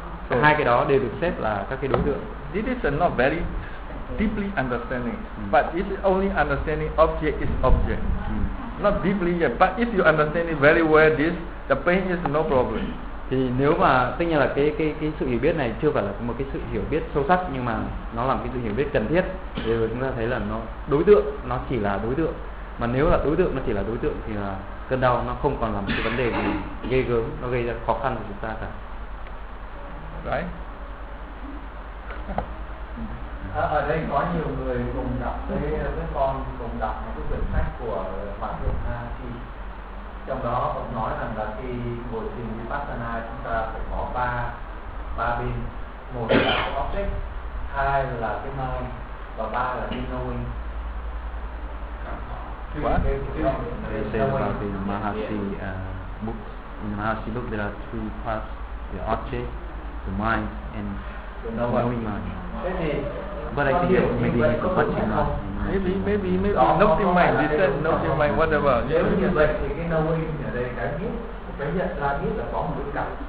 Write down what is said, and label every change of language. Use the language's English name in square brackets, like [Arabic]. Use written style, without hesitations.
[Vietnamese] Thì hai cái đó đều được xếp là các cái đối tượng. [English] This is not very deeply understanding, but it's only understanding object is object. Not deeply yet, but if you understand it very well, this the pain is no problem. [Vietnamese] Thì nếu mà tất nhiên là cái sự hiểu biết này chưa phải là một cái sự hiểu biết sâu sắc, nhưng mà nó là một cái sự hiểu biết cần thiết. Thì chúng ta thấy là nó đối tượng, nó chỉ là đối tượng. Mà nếu là đối tượng nó chỉ là đối tượng thì là cơn đau nó không còn là một cái vấn đề gì ghê gớm, nó gây ra khó khăn cho chúng ta cả. [English] Right. [Vietnamese] Ở đây có nhiều người cùng đọc với con cùng đọc một cái quyển sách của Phạm Thượng Na Chi. Trong đó ông nói rằng là khi ngồi thiền Vipassana chúng ta phải có ba bên, một là object, hai là cái mind và ba là cái knowing. [English] They say about the Mahasi books. In the Mahasi book, there are three parts: the object, the mind, and the knowing mind. But I think maybe it's a touching mind. Maybe. Noting mind, they said noting mind, whatever. [Vietnamese] Nếu như vậy thì cái knowing ở đây cái biết, cái nhận ra biết là có một cái